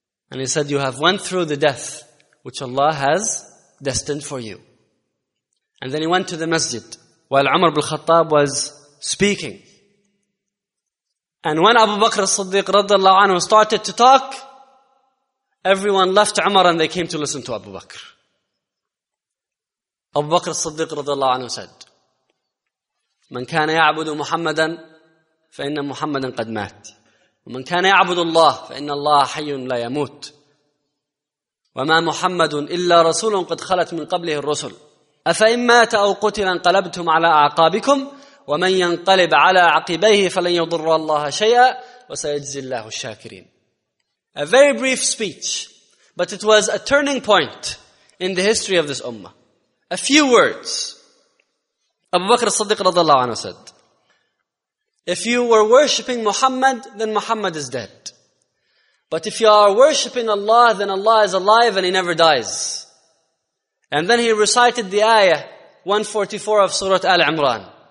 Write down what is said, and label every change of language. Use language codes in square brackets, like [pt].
[en] And he said, You have went through the death which Allah has destined for you. And then he went to the masjid. While Umar ibn Khattab was speaking. And when Abu Bakr as-Siddiq radiallahu anhu started to talk, everyone left Umar and they came to listen to Abu Bakr. [ar] Abu Bakr as-Siddiq radiallahu anhu said, من كان يعبد محمدا فإن محمدا قد مات ومن كان يعبد الله فإن الله حي لا يموت وما محمد إلا رسول قد خلت من قبله الرسل أفإن مات أو قتل انقلبتم على أعقابكم ومن ينقلب على عقبيه فلن يضر الله شيئا وسيجزي الله الشاكرين [en] A very brief speech, but it was a turning point in the history of this ummah. A few words. Abu Bakr as-Siddiq radiallahu anhu said, If you were worshipping Muhammad, then Muhammad is dead. But if you are worshipping Allah, then Allah is alive and He never dies. And then he recited the ayah 144 of Surah Al-Imran.